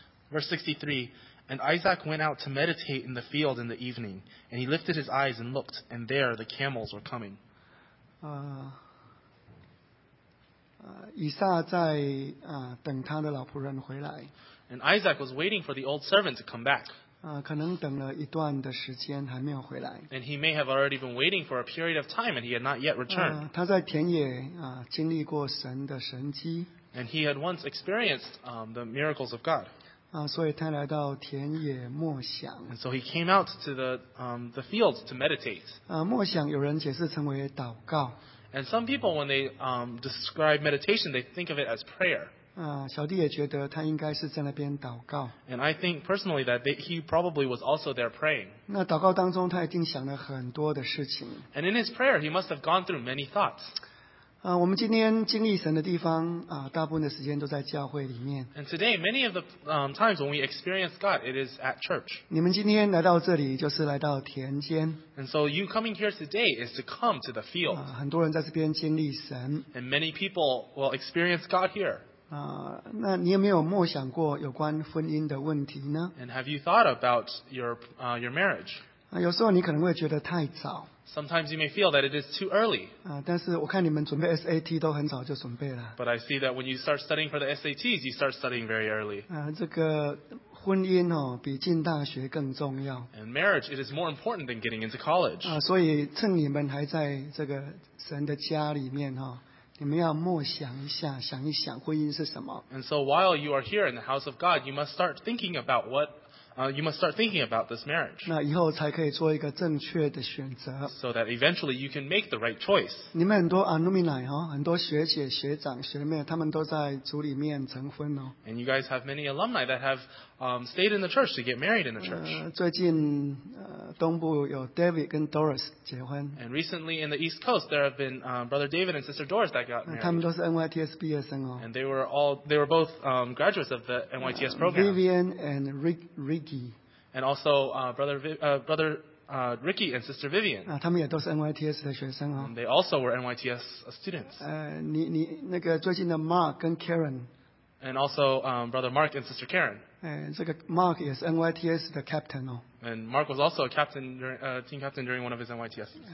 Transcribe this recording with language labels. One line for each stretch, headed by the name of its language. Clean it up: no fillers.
English: Verse 63, and Isaac went out to meditate in the field in the evening, and he lifted his eyes and looked, and there the camels were coming.
Chinese: 以撒在等他的老仆人回来。
English: And Isaac was waiting for the old servant to come back.
Chinese: 可能等了一段的时间还没有回来。
English: And he may have already been waiting for a period of time and he had not yet returned.
Chinese: 他在田野经历过神的神迹。
English: And he had once experienced the miracles of God.
Chinese: 所以他来到田野默想。
English: And so he came out to the fields to meditate.
Chinese: 默想有人解释成为祷告。
English: And some people, when they describe meditation, they think of it as prayer.
Chinese: 小弟也觉得他应该是在那边祷告。
English: And I think personally that he probably was also there praying.
Chinese: 那祷告当中他一定想了很多的事情。
English: And in his prayer, he must have gone through many thoughts.
Chinese: 我们今天经历神的地方大部分的时间都在教会里面。
English: And today, many of the times when we experience God, it is at church.
Chinese: 你们今天来到这里就是来到田间。
English: And so you coming here today is to come to the field.
Chinese: 很多人在这边经历神。
English: And many people will experience God here.
Chinese: 那你有没有默想过有关婚姻的问题呢？
English: And have you thought about your marriage?
Chinese: 有时候你可能会觉得太早。
English: Sometimes you may feel that it is too early.
Chinese: 但是我看你们准备 SAT 都很早就准备了。
English: But I see that when you start studying for the SATs, you start studying very early.
Chinese: 这个婚姻哦，比进大学更重要。
English: And marriage, it is more important than getting into college.
Chinese: 所以趁你们还在这个神的家里面哦，你们要默想一下，想一想婚姻是什么。
English: And so while you are here in the house of God, you must start thinking about what. You must start thinking about this marriage.
Chinese: 那以后才可以做一个正确的选择。
English: So that eventually you can make the right choice.
Chinese: 你们很多 alumni 很多学姐、学长、学妹，他们都在主里面成婚哦。
English: And you guys have many alumni that have stayed in the church to get married in the church.
Chinese: 最近东部有 David 跟 Doris 结婚。
English: And recently in the East Coast there have been brother David and sister Doris that got married.
Chinese: 他们都是 NYTS 毕业生哦。
English: And they were both graduates of the NYTS program. Vivian and Rick. And also brother Ricky and sister Vivian.
Chinese: 他们也都是 NYTS 的学生哦。
English: They also were NYTS students.
Chinese: 你那个最近的 Mark 跟 Karen.
English: And also brother Mark and sister Karen.
Chinese: 这个 Mark 也是 NYTS 的 captain 哦。
English: And Mark was also a captain during team captain during one of his NYTS.